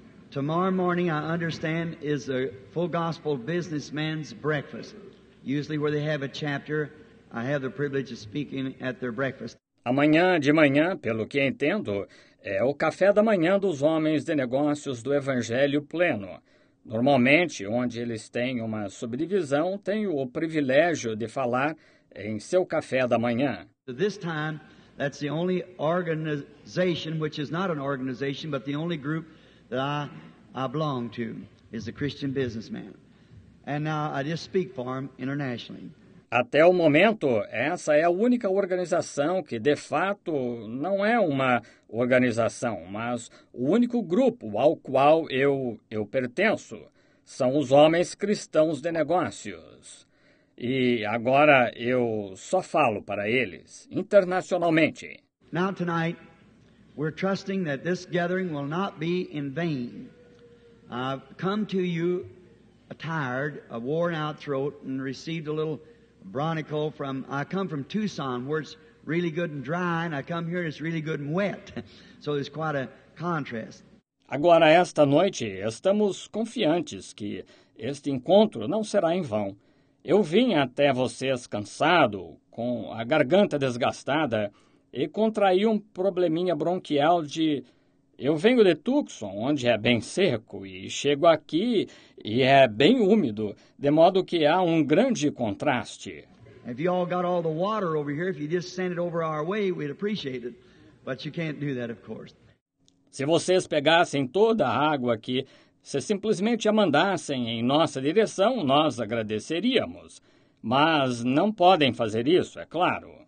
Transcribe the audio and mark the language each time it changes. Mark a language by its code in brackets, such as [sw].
[en] Tomorrow morning, I understand, is a full gospel businessman's breakfast. Usually where they have a chapter, I have the privilege of speaking at their breakfast. [pt] Amanhã de manhã, pelo que entendo, é o café da manhã dos homens de negócios do Evangelho Pleno. Normalmente, onde eles têm uma subdivisão, tenho o privilégio de falar em seu café da manhã. [en] This time, that's the only organization, which is not an organization, but the only group that I belong to, is the Christian Businessman. And now I just speak for him internationally. [pt] Até o momento, essa é a única organização que, de fato, não é uma organização, mas o único grupo ao qual eu pertenço são os homens cristãos de negócios. E agora eu só falo para eles, internacionalmente. [en] Now tonight, we're trusting that this gathering will not be in vain. I've come to you a tired, a worn out throat and received a little bronchial from, I come from Tucson where it's really good and dry, and I come here and it's really good and wet. So it's quite a contrast. [pt] Agora, esta noite, estamos confiantes que este encontro não será em vão. Eu vim até vocês cansado, com a garganta desgastada, e contraí um probleminha bronquial de... Eu venho de Tucson, onde é bem seco, e chego aqui e é bem úmido, de modo que há um grande contraste. [en] If you all got all the water over here, if you just send it over our way, we'd appreciate it. But you can't do that, of course. [pt] Se vocês pegassem toda a água aqui, se simplesmente a mandassem em nossa direção, nós agradeceríamos. Mas não podem fazer isso, é claro.